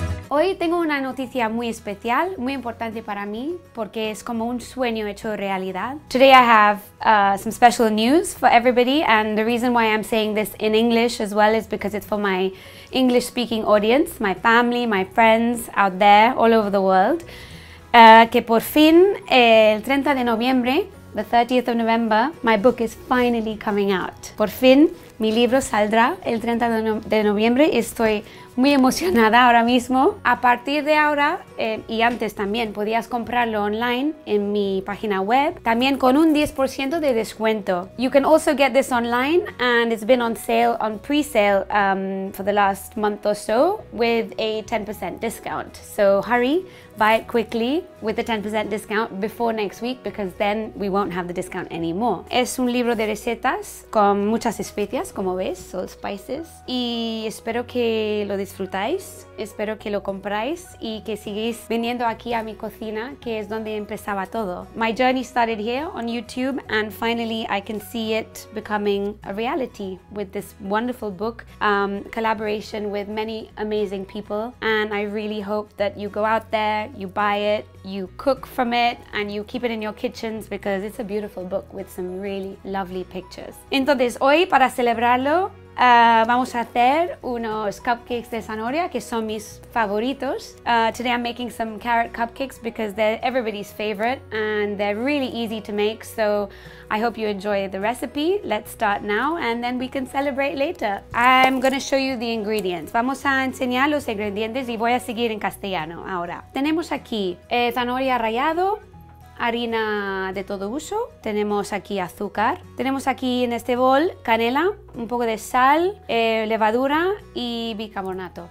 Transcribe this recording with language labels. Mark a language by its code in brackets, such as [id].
[es] Hoy tengo una noticia muy especial, muy importante para mí, porque es como un sueño hecho realidad. [en] Today I have some special news for everybody, and the reason why I'm saying this in English as well is because it's for my English speaking audience, my family, my friends out there all over the world. [es] Que por fin el 30 de noviembre, [en] the 30th of November, my book is finally coming out. [es] Por fin mi libro saldrá el 30 de noviembre y estoy muy emocionada ahora mismo. A partir de ahora, y antes también, podías comprarlo online en mi página web, también con un 10% de descuento. [en] You can also get this online, and it's been on sale, on pre-sale, for the last month or so, with a 10% discount. So hurry, buy it quickly with the 10% discount before next week, because then we won't have the discount anymore. [es] Es un libro de recetas con muchas especias, como ves, Soul Spices, y espero que lo disfrutáis, espero que lo compráis y que sigáis viniendo aquí a mi cocina, que es donde empezaba todo. [en] My journey started here on YouTube, and finally I can see it becoming a reality with this wonderful book, collaboration with many amazing people, and I really hope that you go out there, you buy it, you cook from it, and you keep it in your kitchens, because it's a beautiful book with some really lovely pictures. [es] Entonces hoy, para celebrarlo, vamos a hacer unos cupcakes de zanahoria, que son mis favoritos. [en] Today I'm making some carrot cupcakes because they're everybody's favorite and they're really easy to make, so I hope you enjoy the recipe. Let's start now and then we can celebrate later. I'm gonna show you the ingredients. [es] Vamos a enseñar los ingredientes y voy a seguir en castellano ahora. Tenemos aquí zanahoria rallado, harina de todo uso, tenemos aquí azúcar, tenemos aquí en este bol canela, un poco de sal, levadura y bicarbonato.